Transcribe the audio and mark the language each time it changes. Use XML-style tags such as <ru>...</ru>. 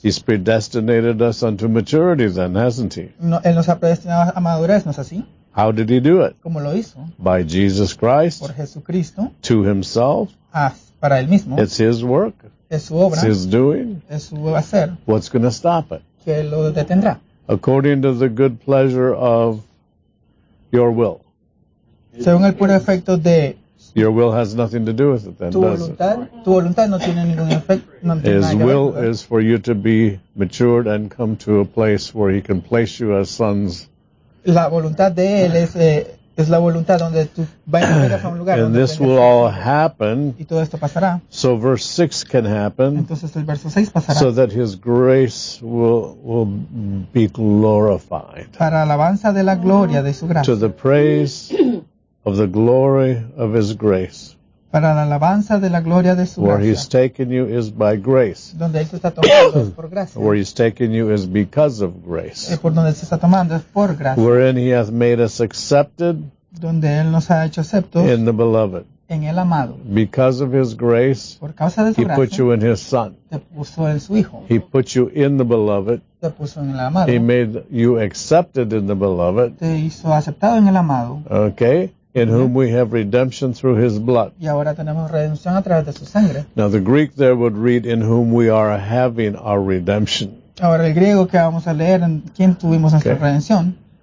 <en>He's predestinated us unto maturity then, hasn't he?</en> <es>No, él nos ha predestinado a madurez, ¿no es así?</es> <en>How did he do it?</en> <es>¿Cómo lo hizo?</es> <en>By Jesus Christ.</en> <es>Por Jesucristo.</es> <en>To himself.</en> <es>Para él mismo.</es> <en>It's his work.</en> <es>Es su obra.</es> <en>It's his doing.</en> <es>Es su hacer.</es> <en>What's going to stop it?</en> <es>¿Qué lo detendrá?</es> <en>According to the good pleasure of your will.</en> <es>Según el puro efecto de...</es> <en>Your will has nothing to do with it then, does it?</en> <es>Tu voluntad no tiene ningún efecto.</es> <en>His will is for you to be matured and come to a place where he can place you as sons.</en> <es>La voluntad de él es... Es la voluntad donde tú vayas a un lugar.</es> <en>And this will all happen.</en> <es>Y todo esto pasará.</es> <en>So verse 6 can happen.</en> <es>Entonces el verso 6 pasará.</es> <en>So that his grace will be glorified.</en> <es>Para alabanza de la gloria de su gracia.</es> <en>To the praise of the glory of his grace.</en> <es>Para la alabanza de la gloria de su gracia.</es> <en>Where he's taken you is by grace.</en> <es>Donde él te está tomando es por gracia.</es> <en>Where he's taken you is because of grace.</en> <es>Es por donde te está tomando es por gracia.</es> <en>Wherein he hath made us accepted.</en> <es>Donde él nos ha hecho aceptos.</es> <en>In the beloved.</en> <es>En el amado.</es> <en>Because of his grace.</en> <es>Por causa de su</es> <en>he</en> <es>gracia.</es> <en>He put you in his son.</en> <es>Te puso en su hijo.</es> <en>He put you in the beloved.</en> <es>Te puso en el amado.</es> <en>He made you accepted in the beloved.</en> <es>Te hizo aceptado en el amado.</es> <en>Okay. In whom we have redemption through his blood.</en> <es>Y ahora tenemos redención a través de su sangre.</es> <en>Now the Greek there would read, in whom we are having our redemption.</en> <es>Ahora el griego que vamos a leer, en quien tuvimos nuestra redención.</es>